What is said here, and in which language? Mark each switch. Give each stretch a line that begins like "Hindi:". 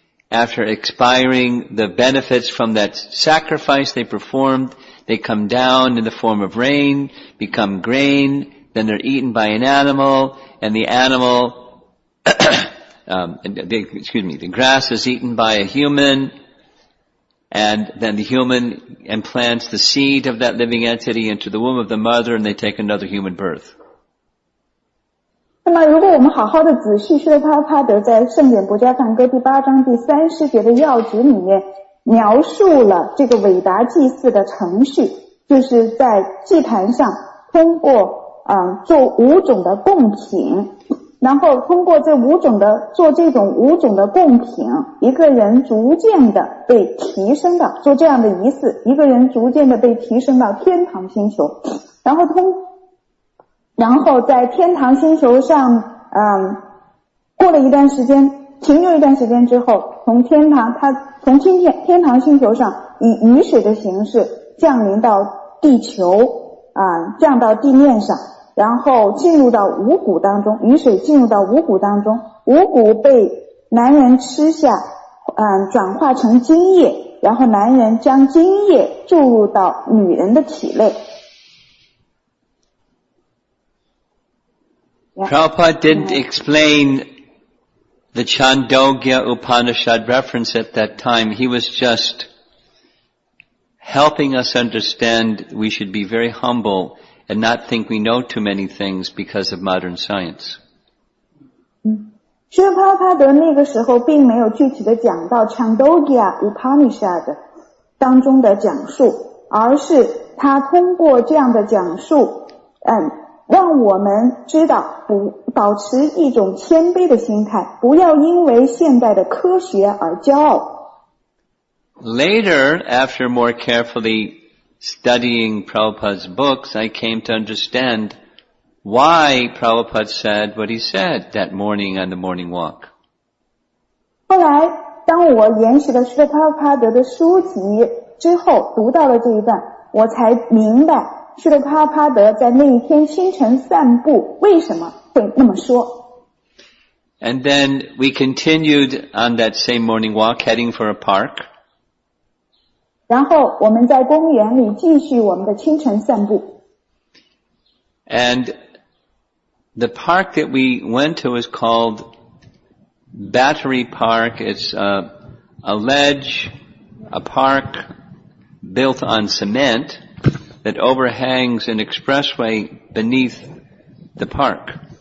English: After expiring the benefits from that sacrifice they performed, they come down in the form of rain, become grain, then they're eaten by an animal, and the animal, the grass is eaten by a human,And then the human implants the seed of that living entity into the womb of the mother, and they take another human birth.
Chinese: 那么，如果我们好好的仔细，释迦帕德在《圣典不加梵歌》第八章第三十节的要旨里面描述了这个伟达祭祀的程序，就是在祭坛上通过做五种的贡品，然后通过这五种的做这种五种的供品，一个人逐渐的被提升到做这样的仪式，一个人逐渐的被提升到天堂星球，然后在天堂星球上，过了一段时间，停留一段时间之后，从天堂星球上以雨水的形式降临到地球，降到地面上。然后进入到五谷当中，雨水进入到五谷当中，五谷被男人吃下，转化成精液，然后男人将精液注入到女人的体内。
English: Prabhupada didn't explain the Chandogya Upanishad reference at that time. He was just helping us understand we should be very humble. And not think we know too many things because of modern science.
Chinese: 释迦帕帕德那个时候并没有具体的讲到 Chandogya Upanishad 当中的讲述，而是他通过这样的讲述，让我们知道保持一种谦卑的心态，不要因为现代的科学而骄傲。
English: Later, after more carefully. Studying Prabhupada's books, I came to understand why Prabhupada said what he said that morning on the morning walk.
Chinese: 后来，当我研习了释迦帕帕德的书籍之后，读到了这一段，我才明白释迦帕帕德在那一天清晨散步为什么会那么说。
English: And then we continued on that same morning walk, heading for a park.
Chinese: 然后我们在公园里继续我们的清晨散步。
English: And the park that we went to is called Battery Park. It's a ledge, a park built on cement that overhangs an expressway beneath the park.